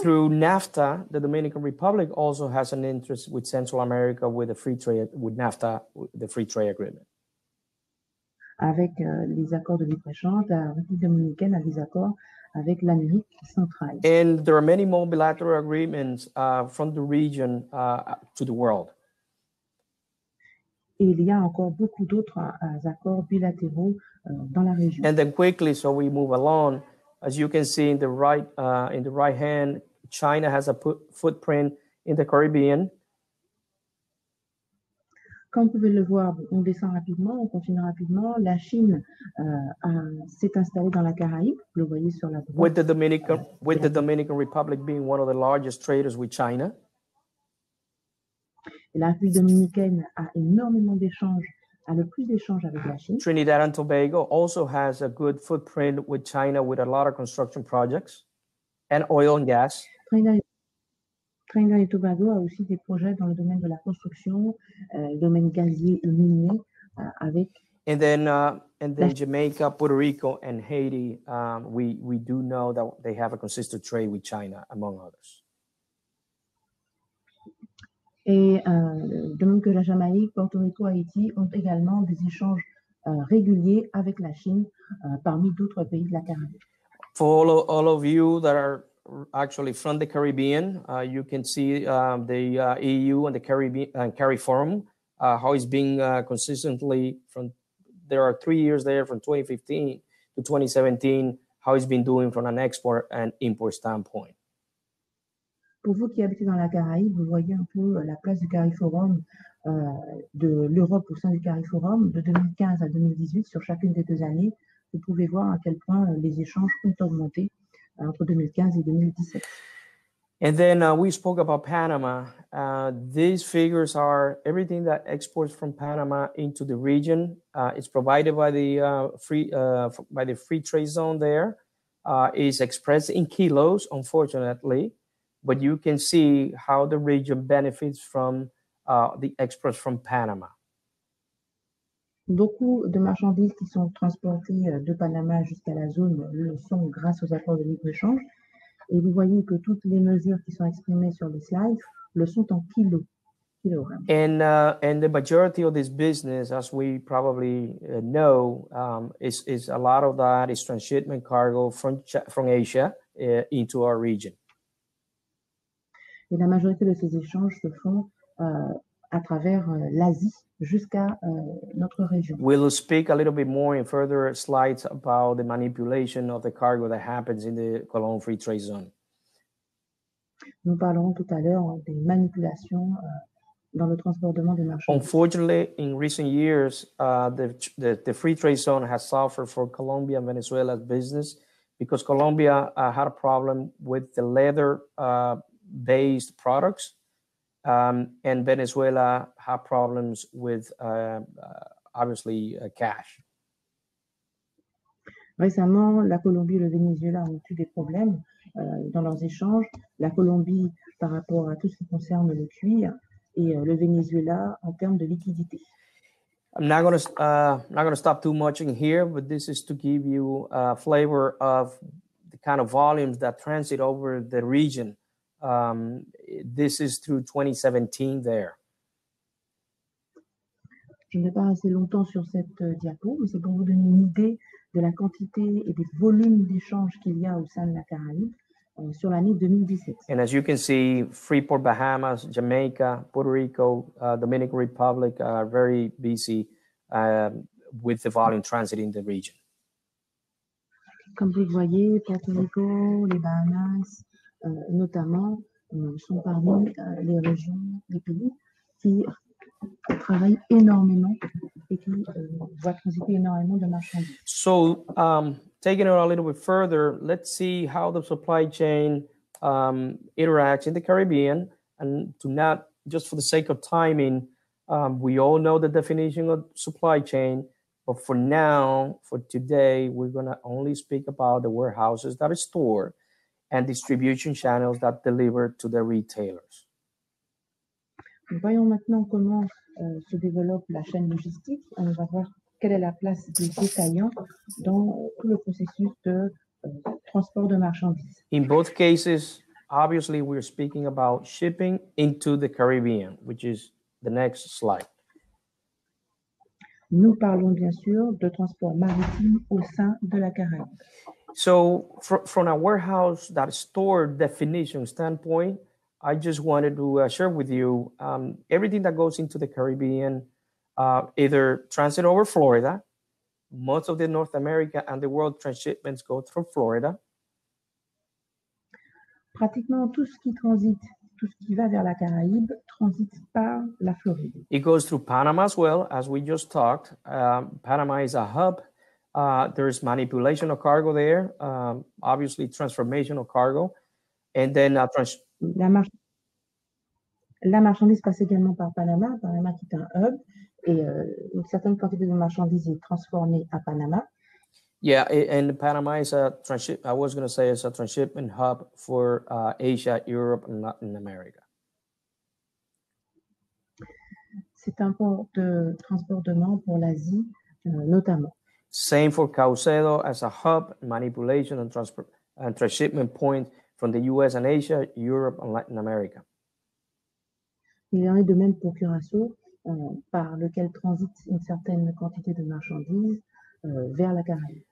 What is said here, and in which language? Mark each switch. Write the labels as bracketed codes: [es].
[en] Through NAFTA, the Dominican Republic also has an interest with Central America with a free trade, with NAFTA, the free trade agreement. [fr] Avec les accords de libre-échange, la République dominicaine a des accords avec l'Amérique centrale. [en] And there are many more bilateral agreements from the region to the world. [fr] Et il y a encore beaucoup d'autres accords bilatéraux dans la région. [en] And then quickly, so we move along, as you can see in the right hand, China has a footprint in the Caribbean. [fr] Comme vous pouvez le voir, on descend rapidement, on continue rapidement. La Chine s'est installée dans la Caraïbe, vous le voyez sur la droite. [en] With the Dominican Republic being one of the largest traders with China. [fr] La République dominicaine a énormément d'échanges, a le plus d'échanges avec la Chine. [en] Trinidad and Tobago also has a good footprint with China with a lot of construction projects and oil and gas. [fr] Trinidad et Tobago a aussi des projets dans le domaine de la construction, le domaine gazier et minier avec. [en] And then Jamaica, Puerto Rico and Haiti, we do know that they have a consistent trade with China among others. [fr] Et de même que la Jamaïque, Porto Rico, Haïti ont également des échanges réguliers avec la Chine parmi d'autres pays de la Caraïbe. [en] For all of you that are actually from the Caribbean, you can see the EU and the Caribbean and CARIFORUM, how it's been consistently from, there are 3 years there from 2015 to 2017, how it's been doing from an export and import standpoint. [fr] Pour vous qui habitez dans la Caraïbe, vous voyez un peu la place du CARIFORUM, de l'Europe au sein du CARIFORUM, de 2015 à 2018, sur chacune des deux années. Vous pouvez voir à quel point les échanges ont augmenté entre 2015 et 2017. [en] And then we spoke about Panama. These figures are everything that exports from Panama into the region. It's provided by the free trade zone there. Is expressed in kilos, unfortunately. But you can see how the region benefits from the exports from Panama. [fr] Beaucoup de marchandises qui sont transportées de Panama jusqu'à la zone le sont grâce aux accords de libre-échange. Et vous voyez que toutes les mesures qui sont exprimées sur les slides le sont en kilos. [en] And the majority of this business, as we probably know, is a lot of that is transshipment cargo from Asia into our region. [fr] Et la majorité de ces échanges se font à travers l'Asie jusqu'à notre région. [en] We'll speak a little bit more in further slides about the manipulation of the cargo that happens in the Colon Free Trade Zone. [fr] Nous parlerons tout à l'heure des manipulations dans le transbordement des marchandises. [en] Unfortunately, in recent years, the free trade zone has suffered for Colombia and Venezuela's business because Colombia had a problem with the leather-based products, and Venezuela had problems with, obviously, cash. [fr] Récemment, la Colombie et le Venezuela ont eu des problèmes dans leurs échanges. La Colombie, par rapport à tout ce qui concerne le cuir, et le Venezuela en termes de liquidité. [en] I'm not going to stop too much in here, but this is to give you a flavor of the kind of volumes that transit over the region. This is through 2017 there. [fr] Je ne vais pas assez longtemps sur cette diapo, mais c'est pour vous donner une idée de la quantité et des volumes d'échanges qu'il y a au sein de la Caraïbe. Sur l'année 2017. [en] And as you can see, Freeport, Bahamas, Jamaica, Puerto Rico, Dominican Republic are very busy with the volume transit in the region. [fr] Comme vous le voyez, Puerto Rico, les Bahamas, notamment, sont parmi les régions, les pays qui travaillent énormément et qui voient transiter énormément de marchandises. [en] So, taking it a little bit further, let's see how the supply chain interacts in the Caribbean. And to not, just for the sake of timing, we all know the definition of supply chain, but for now, for today, we're gonna only speak about the warehouses that store and distribution channels that deliver to the retailers. [fr] Voyons maintenant comment se développe la chaîne logistique. On va voir quelle est la place des détaillants dans tout le processus de transport de marchandises. [en] In both cases, obviously, we're speaking about shipping into the Caribbean, which is the next slide. [fr] Nous parlons bien sûr de transport maritime au sein de la Caraïbe. [en] So, from a warehouse that store definition standpoint, I just wanted to share with you everything that goes into the Caribbean. Either transit over Florida, most of the North America and the world transshipments go through Florida. [fr] Pratiquement tout ce qui transite, tout ce qui va vers la Caraïbe, transite par la Floride. [en] It goes through Panama as well, as we just talked. Panama is a hub. There is manipulation of cargo there, obviously transformation of cargo. And then [fr] La marchandise passe également par Panama, Panama qui est un hub. Et une certaine quantité de marchandises est transformée à Panama. [en] Yeah, and Panama is a transshipment, I was going to say it's a transshipment hub for Asia, Europe, and Latin America. [fr] C'est un port de transbordement pour l'Asie, notamment. [en] Same for Caicedo as a hub, manipulation and transshipment point from the US and Asia, Europe, and Latin America. [fr] Il y en a de même pour Curaçao. Par lequel transite une certaine quantité de marchandises vers la Caraïbe.